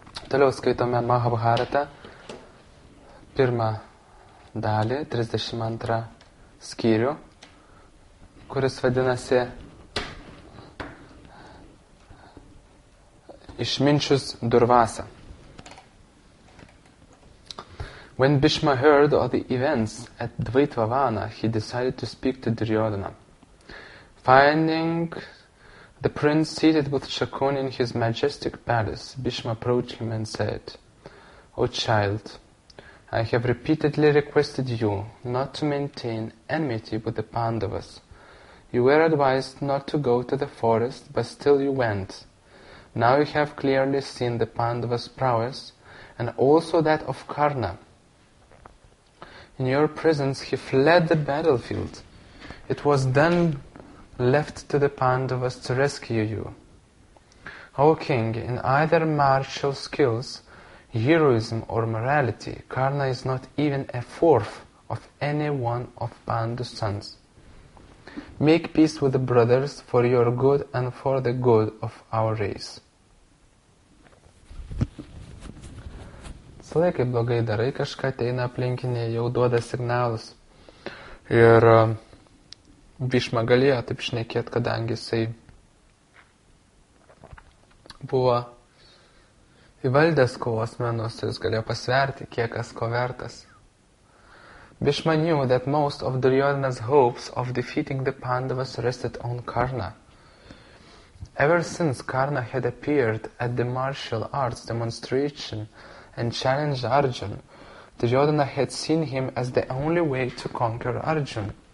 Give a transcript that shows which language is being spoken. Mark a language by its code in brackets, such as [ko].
[lt] Toliau skaitome Mahabharatą, pirmą dalį, 32 skyrių, kuris vadinasi Išminčius Durvasa. [en] When Bhishma heard of the events at Dvaitvavana, he decided to speak to Duryodhana. Finding the prince seated with Shakuni in his majestic palace, Bhishma approached him and said, O child, I have repeatedly requested you not to maintain enmity with the Pandavas. You were advised not to go to the forest, but still you went. Now you have clearly seen the Pandavas' prowess and also that of Karna. In your presence he fled the battlefield. It was then left to the Pandavas to rescue you. O king, in either martial skills, heroism or morality, Karna is not even a fourth of any one of Pandu's sons. Make peace with the brothers for your good and for the good of our race. [lt] Visą laiką blogai darai, kažką ateina aplinkinė, jau duoda signalus. Ir Bhishma galėjo taip šnekėti, kadangi jisai buvo įvaldęs kovos menus, jis galėjo pasverti, kiek kas ko vertas. [en] Bhishma knew that most of Duryodhana's hopes of defeating the Pandavas rested on Karna. Ever since Karna had appeared at the martial arts demonstration and challenged Arjun, Duryodhana had seen him as the only way to conquer Arjun.